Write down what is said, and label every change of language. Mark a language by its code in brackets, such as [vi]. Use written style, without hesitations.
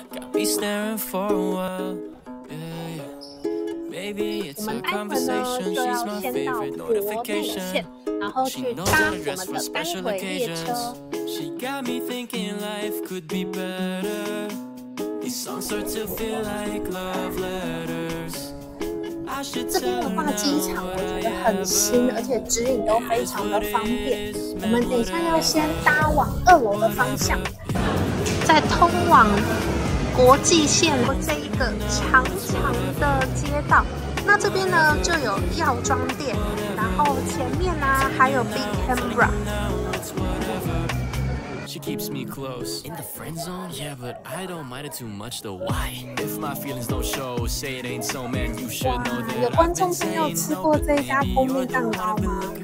[en] Got me staring for a while. Yeah. Maybe it's a conversation. She's my favorite notification. She knows how to dress for special occasions. She got me thinking life could be better. These songs start to feel like love letters. [zh] 这边的话，机场我觉得很新，而且指引都非常的方便。我们等一下要先搭往二楼的方向，再通往国际线这一个长长的街道。那这边呢就有药妆店，然后前面呢还有 Big Camera。 [en] She keeps me close in the friend zone, yeah, but I don't mind it too much though. Why? If my feelings don't show, say it ain't so, man, you should know that. [zh] 有观众朋友吃过这家蜂蜜蛋糕吗？